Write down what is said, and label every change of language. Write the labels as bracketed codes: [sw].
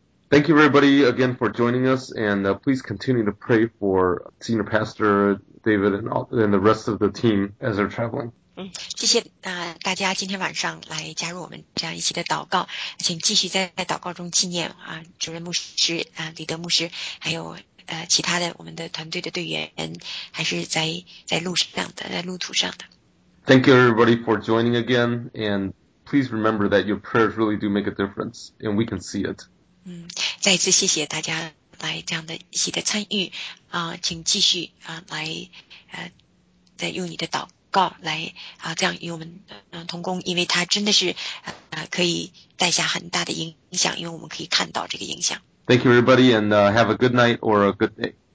[en] Thank you everybody again for joining us, and please continue to pray for Senior Pastor David and the rest of the team as they're traveling. [zh] 谢谢大家今天晚上来加入我们这样一起的祷告，请继续在祷告中纪念主任牧师李德牧师，还有其他的我们的团队的队员，还是在路上的，在路途上的。 [en] Thank you everybody for joining again, and please remember that your prayers really do make a difference, and we can see it. [zh] 再次谢谢大家来这样的一起的参与啊，请继续啊来再用你的祷告来啊这样与我们同工，因为他真的是可以带下很大的影响，因为我们可以看到这个影响。 [en] Thank you everybody, and have a good night or a good day.